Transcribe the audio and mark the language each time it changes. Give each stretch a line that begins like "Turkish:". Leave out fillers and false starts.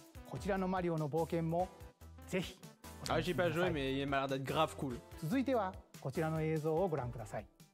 Japanese: こちらのマリオの冒険もぜひ。
French: Ah, j'ai pas joué, mais il m'a l'air d'être grave cool.
Japanese: 続いてはこちらの映像をご覧ください。